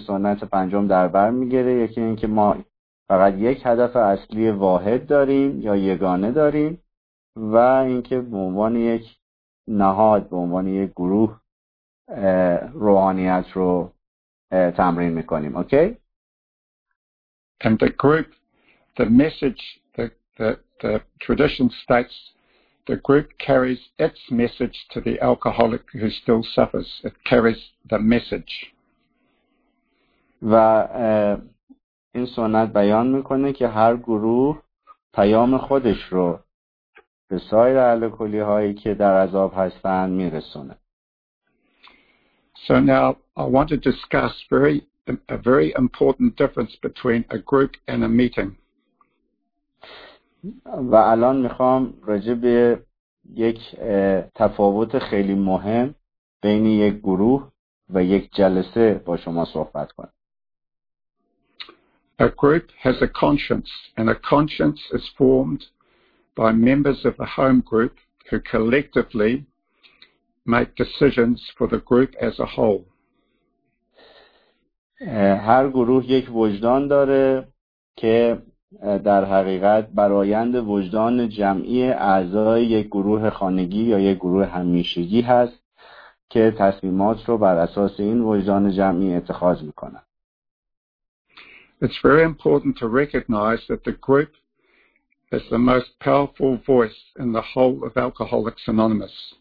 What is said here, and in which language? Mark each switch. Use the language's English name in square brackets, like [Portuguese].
[Persian] سنت پنجم در بر میگیره، یکی این که ما فقط یک هدف اصلی واحد داریم یا یگانه داریم، و اینکه به عنوان یک نهاد، به عنوان یک گروه روحانیت رو تمرین میکنیم. [English] Okay? And the group, the message, the tradition states the group carries its message to the alcoholic who still suffers. It carries the message. [Persian] و این سنت بیان میکنه که هر گروه پیام خودش رو به سایر الکلی هایی که در عذاب هستن میرسونه. [English] So now I want to discuss a very important difference between a group and a meeting. [Persian] و الان میخوام راجع به یک تفاوت خیلی مهم بین یک گروه و یک جلسه با شما صحبت کنم. [English] A group has a conscience, and a conscience is formed by members of the home group who collectively make decisions for the group as a whole. [Persian] هر گروه یک وجدان داره که در حقیقت برآیند وجدان جمعی اعضای یک گروه خانگی یا یک گروه همیشگی هست که تصمیمات رو بر اساس این وجدان جمعی اتخاذ میکنه. [English] It's very important to recognize that the group is the most powerful voice in the whole of Alcoholics Anonymous.